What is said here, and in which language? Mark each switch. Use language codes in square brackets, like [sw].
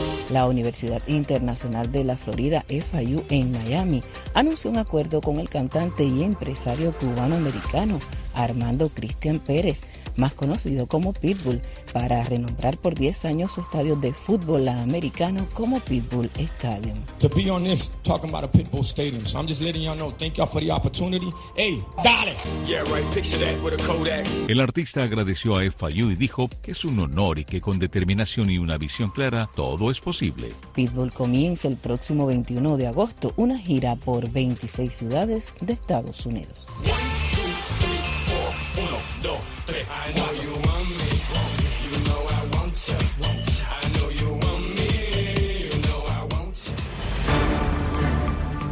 [es] La Universidad Internacional de la Florida, FIU, en Miami, anunció un acuerdo con el cantante y empresario cubano-americano Armando Cristian Pérez, más conocido como Pitbull, para renombrar por 10 años su estadio de fútbol americano como Pitbull Stadium. [en] To be on this, talking about a Pitbull Stadium, so I'm just letting y'all know, thank y'all for the opportunity. Hey, got it! Yeah, right, picture that with a Kodak. [es] El artista agradeció a FIU y dijo que es un honor y que con determinación y una visión clara, todo es posible. Pitbull comienza el próximo 21 de agosto, una gira por 26 ciudades de Estados Unidos. [en] I know you want me, you know I want you, I know you want me, you know I want you.